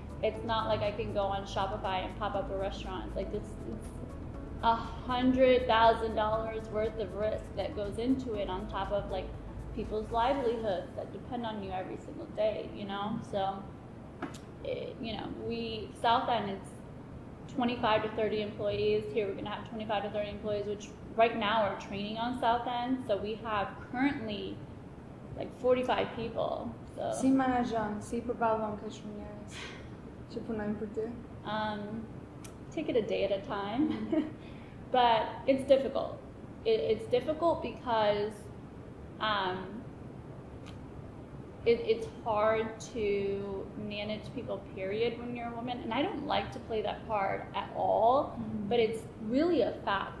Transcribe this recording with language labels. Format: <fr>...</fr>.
<en>It's not like I can go on Shopify and pop up a restaurant. Like, this is $100,000 worth of risk that goes into it on top of like people's livelihoods that depend on you every single day, you know? So, you know, South End, it's 25 to 30 employees. Here we're gonna have 25 to 30 employees, which right now are training on South End. So we have currently like 45 people. So.</en> <sq>Si menaxhon, si përballon ka shumë njerëz që punojnë për ty?</sq> <en>Take it a day at a time, but it's difficult. It's difficult because it's hard to manage people, period, when you're a woman. And I don't like to play that part at all, mm-hmm. but it's really a fact.</en>